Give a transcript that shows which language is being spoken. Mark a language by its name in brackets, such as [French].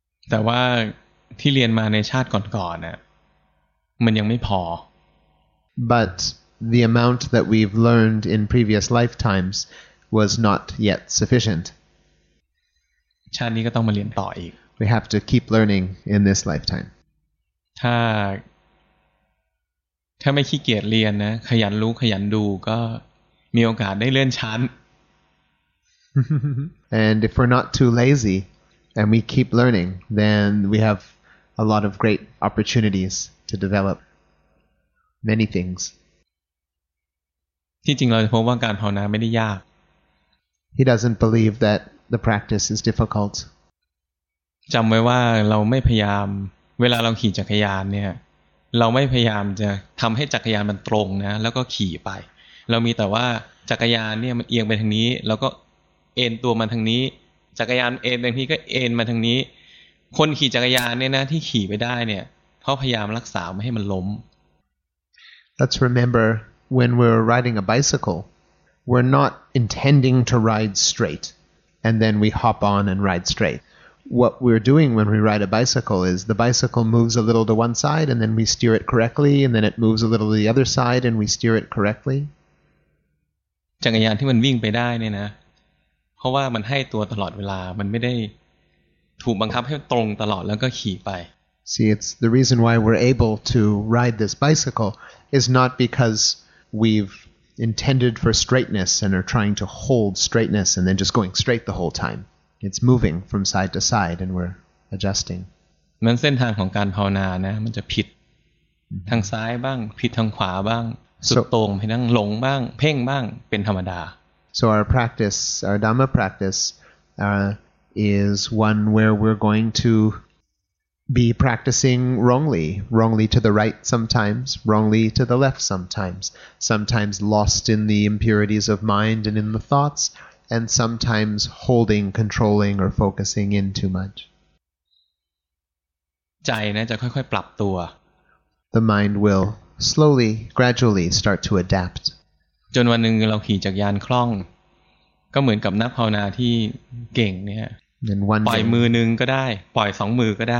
[Thai] แต่ว่าที่เรียนมาในชาติก่อนๆน่ะมันยังไม่พ [English] อ ButThe amount that we've learned in previous lifetimes was not yet sufficient. [Thai] ชาตินี้ก็ต้องมาเรียนต่ออีก [English] We have to keep learning in this lifetime. [Thai] ถ้าไม่ขี้เกียจเรียนนะขยันรู้ขยันดูก็ มีโอกาสได้เลื่อนชั้น [English] And if we're not too lazy and we keep learning, then we have a lot of great opportunities to develop many things. [Thai] ที่จริงเราจะพบว่าการภาวนาไม่ได้ยาก [English] He doesn't believe that the practice is difficult. [Thai] จำไว้ว่าเราไม่พยายามเวลาเราขี่จักรยานเนี่ยเราไม่พยายามจะทำให้จักรยานมันตรงนะแล้วก็ขี่ไปเรามีแต่ว่าจักรยานเนี่ยมันเอียงไปทางนี้แล้วก็เอ็นตัวมาทางนี้จักรยานเอ็นบางทีก็เอ็นมาทางนี้คนขี่จักรยานเนี่ยนะที่ขี่ไปได้เนี่ยเพราะพยายามรักษาไม่ให้มันล้ม [English] Let's remember when we're riding a bicycle we're not intending to ride straight and then we hop on and ride straightWhat we're doing when we ride a bicycle is the bicycle moves a little to one side and then we steer it correctly and then it moves a little to the other side and we steer it correctly. [Thai] จักรยานที่มันวิ่งไปได้เนี่ยนะเพราะว่ามันให้ตัวตลอดเวลามันไม่ได้ถูกบังคับให้ตรงตลอดแล้วก็ขี่ไป [English] See, it's the reason why we're able to ride this bicycle is not because we've intended for straightness and are trying to hold straightness and then just going straight the whole time. It's moving from side to side and we're adjusting. [Thai] เหมือนเส้นทางของการภาวนานะมันจะผิดทางซ้ายบ้างผิดทางขวาบ้างสุดตรงไปทางหลงบ้างเพ่งบ้างเป็นธรรมดา [English] So our practice, our Dhamma practice, is one where we're going to be practicing wrongly, wrongly to the right sometimes, wrongly to the left sometimes, sometimes lost in the impurities of mind and in the thoughts. And sometimes holding, controlling, or focusing in too much. [Thai] ใจนะจะค่อยๆปรับตัว [English] The mind will slowly, gradually start to adapt. [Thai] จนวันหนึ่งเราขี่จักรยานคล่องก็เหมือนกับนักภาวนาที่เก่งเนี่ย [English] Then one [Thai] ปล่อยมือหนึ่งก็ได้ปล่อยสองมือก็ได